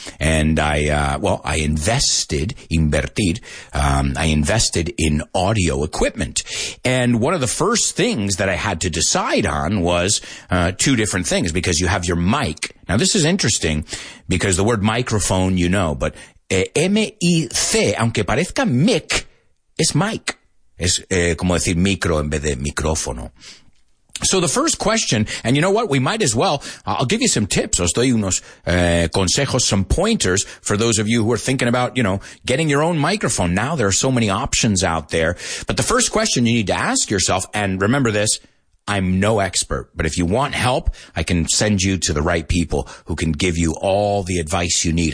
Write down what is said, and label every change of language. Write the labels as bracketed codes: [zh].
[en] And I invested in audio equipment. And one of the first things that I had to decide on was two different things, because you have your mic. Now, this is interesting because the word microphone, you know, but M-I-C, [es] aunque parezca mic, es mic. Es como decir micro en vez de micrófono. [en] So the first question, and you know what? We might as well, I'll give you some tips. [es] Os doy unos consejos, [en] some pointers for those of you who are thinking about, you know, getting your own microphone. Now there are so many options out there. But the first question you need to ask yourself, and remember this, I'm no expert, but if you want help, I can send you to the right people who can give you all the advice you need.